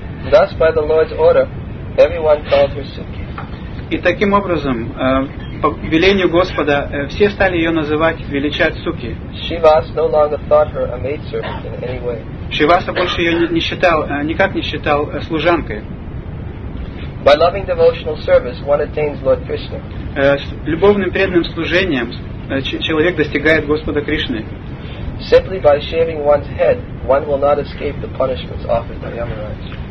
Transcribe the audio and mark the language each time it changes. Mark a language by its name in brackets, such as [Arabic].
[English] Thus, by the Lord's order, everyone called her Suki. [Russian] И таким образом, по велению Господа, все стали ее называть, величать Суки. [English] Shivas no longer thought her a maidservant in any way. [Russian] Шиваса больше ее не считал, никак не считал служанкой. [English] By loving devotional service, one attains Lord Krishna. [Russian] С любовным преданным служением человек достигает Господа Кришны. [English] Simply by shaving one's head, one will not escape the punishments offered by Yamaraj.